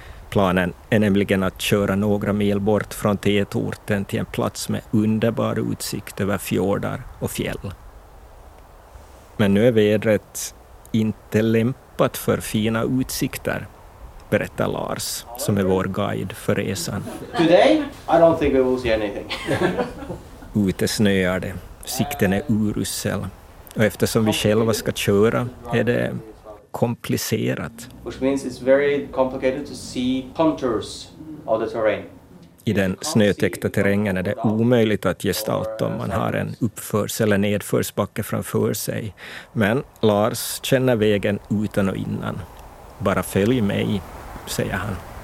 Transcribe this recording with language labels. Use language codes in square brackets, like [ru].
[sv] Planen är nämligen att köra några mil bort från tätorten till en plats med underbar utsikt över fjordar och fjäll. Men nu är vädret inte lämpligt. hoppat för fina utsikter, berättar Lars, som är vår guide för resan. [en] Today, I don't think we will see anything. [sv] Ute snöar det, sikten är urussel. Och eftersom vi själva ska köra är det komplicerat. [en] Which means it's very complicated to see contours of the terrain. [sv] I den snötäckta terrängen är det omöjligt att gestalta om man har en uppförs- eller nedförsbacke framför sig. Men Lars känner vägen utan och innan. Bara följ mig, säger han.